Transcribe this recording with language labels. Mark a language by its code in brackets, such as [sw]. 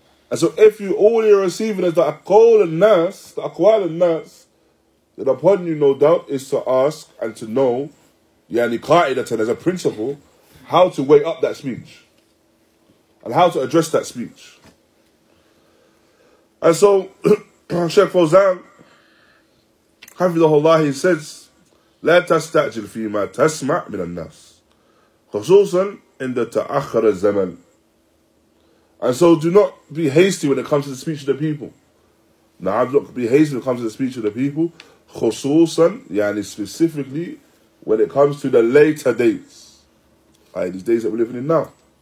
[en] And so if you all you're receiving is the aqwal al-nas, Then upon you, no doubt, is to ask and to know, yani qa'idatan, as a principle, how to weigh up that speech and how to address that speech. And so, Sheikh Fawzan, hafidhahullah, he says, [ar] لَا تَسْتَعْجِلْ فِي مَا تَسْمَعْ مِنَ النَّاسِ خُصُوصًا [en] in the [ar] تَأَخَّرَ الزَّمَنْ. [en] And so do not be hasty when it comes to the speech of the people. Na'am, look, be hasty when it comes to the speech of the people. خُصُوصًا, yani specifically, when it comes to the later dates. Like these days that we're living in now.